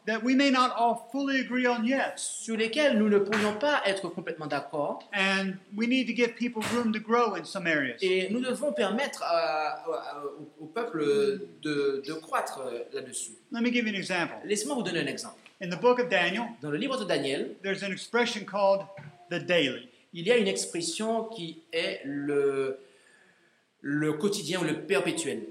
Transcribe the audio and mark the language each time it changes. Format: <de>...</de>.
<en>that we may not all fully agree on yet.</en> <fr>Sur lesquels nous ne pourrions pas être complètement d'accord.</fr> <en>And we need to give people room to grow in some areas.</en> <fr>Et nous devons permettre au peuple de croître là-dessus.</fr> <en>Let me give you an example.</en> <fr>Laissez-moi vous donner un exemple.</fr> <en>In the book of Daniel,</en> <fr>dans le livre de Daniel,</fr> <en>there's an expression called the daily.</en> <fr>Il y a une expression qui est le quotidien ou le perpétuel.</fr>